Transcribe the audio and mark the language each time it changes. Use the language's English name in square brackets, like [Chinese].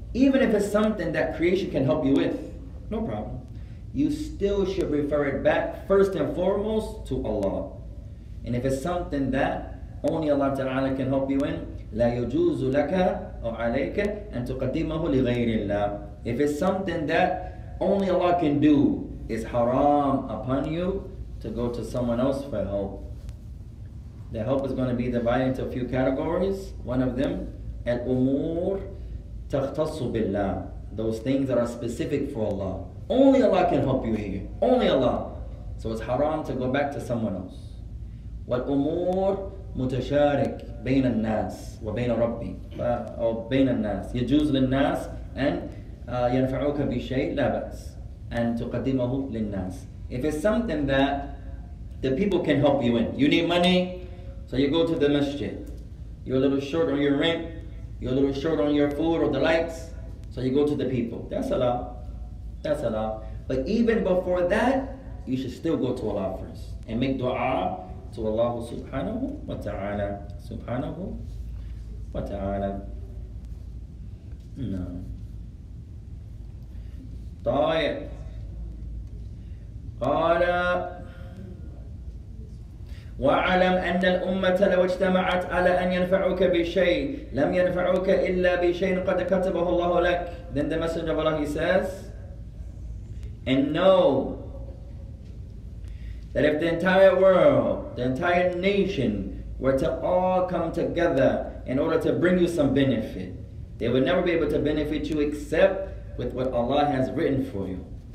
[English] Even if it's something that creation can help you with, no problem. You still should refer it back first and foremost to Allah. And if it's something that only Allah تعالى can help you in, [Arabic] لا يجوز لك أو عليك أن تقدمه لغير الله. [English] If it's something that only Allah can do, it's haram upon you to go to someone else for help. The help is going to be divided into a few categories. One of them, [Arabic] الأمور تختص بالله. [English] Those things that are specific for Allah. Only Allah can help you here. Only Allah. So it's haram to go back to someone else. والأمور [Arabic] متشارك بين الناس وبين ربي أو بين الناس يجوز للناس أن ينفعوك بشيء لا بأس أن تقدمه للناس. [English] If it's something that the people can help you in, you need money, so you go to the masjid. You're a little short on your rent, you're a little short on your food or the lights, so you go to the people. That's Allah. That's Allah. But even before that, you should still go to Allah first and make dua to Allah subhanahu wa ta'ala. Subhanahu wa ta'ala. No. [Arabic] طيب. قال وعلم أن الأمة لو اجتمعت على أن ينفعوك بشيء لم ينفعوك إلا بشيء قد كتبه الله لك. [English] Then the Messenger of Allah, he says, and know that if the entire world, the entire nation were to all come together in order to bring you some benefit, they would never be able to benefit you except with what Allah has written for you.